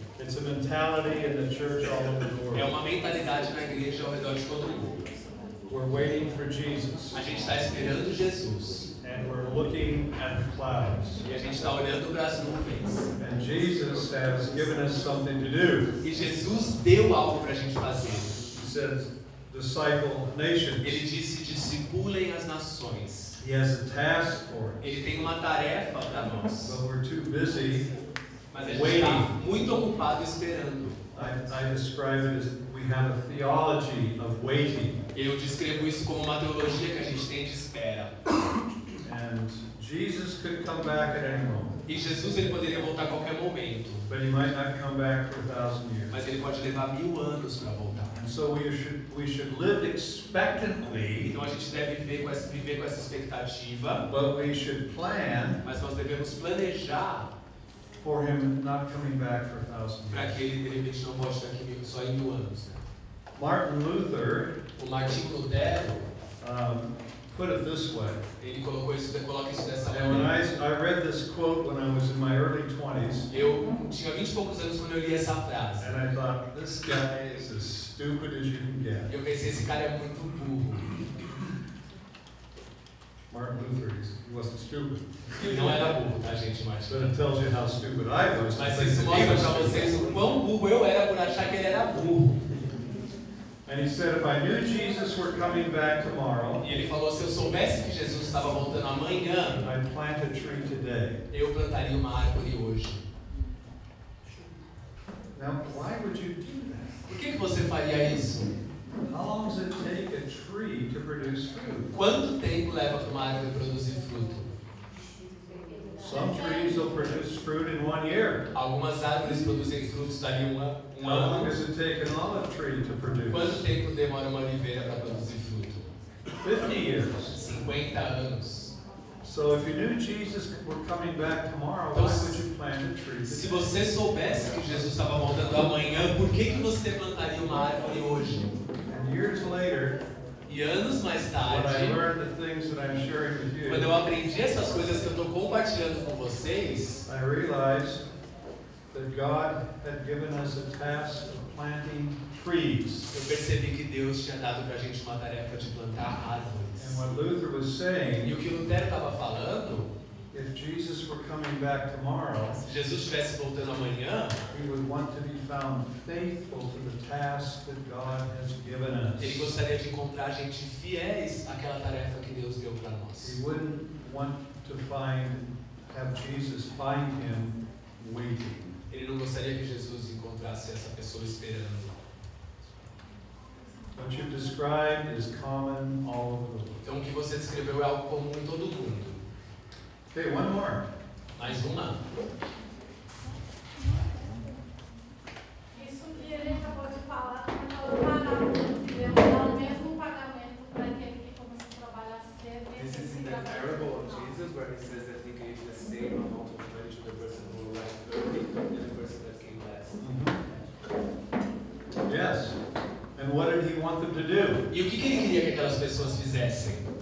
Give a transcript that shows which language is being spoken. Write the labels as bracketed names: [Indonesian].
[English] It's a mentality in the church all over the world. [Portuguese] É uma mentalidade na igreja ao redor de todo o mundo. [English] We're waiting for Jesus. [Portuguese] A gente está esperando Jesus. [English] And we're looking at the clouds. [Portuguese] E a gente está olhando para as nuvens. [English] And Jesus has given us something to do. [Portuguese] E Jesus deu algo para a gente fazer. [English] He says, disciple nations. [Portuguese] Ele disse, discipulem as nações. [English] He has a task for us. [Portuguese] Ele tem uma tarefa para nós. [English] But we're too busy. [Portuguese] Mas a gente está muito ocupado esperando. [English] I describe it as we have a theology of waiting. [Portuguese] Eu descrevo isso como uma teologia que a gente tem de espera. [English] And Jesus could come back at any moment. [Portuguese] E Jesus ele poderia voltar a qualquer momento. [English] But he might not come back for a thousand years. [Portuguese] Mas ele pode levar mil anos para voltar. [English] And so we should live expectantly. [Portuguese] Então a gente deve viver com essa expectativa. [English] But we should plan. [Portuguese] Mas nós devemos planejar. [English] For him not coming back for a thousand years. [Portuguese] Para que ele de repente não volte daqui só em mil anos. [English] Martin Luther. [Portuguese] O Martin Lutero. [English] Put it this way. [Portuguese] Ele coloca isso dessa maneira. [English] When I read this quote when I was in my early 20s. [Portuguese] Eu tinha 20 e poucos anos quando eu li essa frase. [English] And I thought, this guy is as stupid as you can get. [Portuguese] Eu pensei, esse cara é muito burro. [English] Martin Luther, he wasn't stupid. [Portuguese] Ele não era burro, tá, gente, Martin? [English] But it tells you how stupid I was. [Portuguese] Mas isso mostra para vocês o quão burro eu era por achar que ele era burro. [English] And he said, if I knew Jesus were coming back tomorrow, [Portuguese] e ele falou, se eu soubesse que Jesus estava voltando amanhã, [English] I'd plant a tree today. [Portuguese] Eu plantaria uma árvore hoje. [English] Now, why would you do that? [Portuguese] Por que você faria isso? [English] How long does it take a tree to produce fruit? [Portuguese] Quanto tempo leva para uma árvore produzir fruto? [English] Some trees will produce fruit in 1 year. [Portuguese] Algumas árvores produzem frutos dali um ano. [English] How long does it take an olive tree to produce? [Portuguese] Quanto tempo demora uma oliveira para produzir fruto? [English] 50 years. [Portuguese] 50 anos. [English] So if you knew Jesus were coming back tomorrow, então, why would you plant a tree? [Portuguese] Se você soubesse que Jesus estava voltando amanhã, por que você plantaria uma árvore hoje? [English] And years later, [Portuguese] E anos mais tarde, quando eu aprendi essas coisas que eu estou compartilhando com vocês, [English] I realized that God had given us a task of planting trees. [Portuguese] Eu percebi que Deus tinha dado para a gente uma tarefa de plantar árvores. [English] And what Luther was saying, [Portuguese] e o que Lutero estava falando, [English] if Jesus were coming back tomorrow, [Portuguese] se Jesus estivesse voltando amanhã, [English] he would want to be found faithful to the task that God has given us. [Portuguese] Ele gostaria de encontrar gente fiéis àquela tarefa que Deus deu para nós. [English] He wouldn't want to find, have Jesus find him waiting. [Portuguese] Ele não gostaria que Jesus encontrasse essa pessoa esperando. [English] What you've described is common all over the world. [Portuguese] Então o que você descreveu é algo comum em todo mundo. [English] Okay, one more. [Portuguese] Mais uma. Isso que ele acabou de falar, ele falou o mesmo pagamento para aquele que começou a trabalhar cedo. [English] This is in the parable of Jesus where he says that he gave the same amount of money to the person who arrived early and the person that came last. Mm-hmm. Yes. And what did he want them to do? [Portuguese] E o que ele queria que aquelas pessoas fizessem?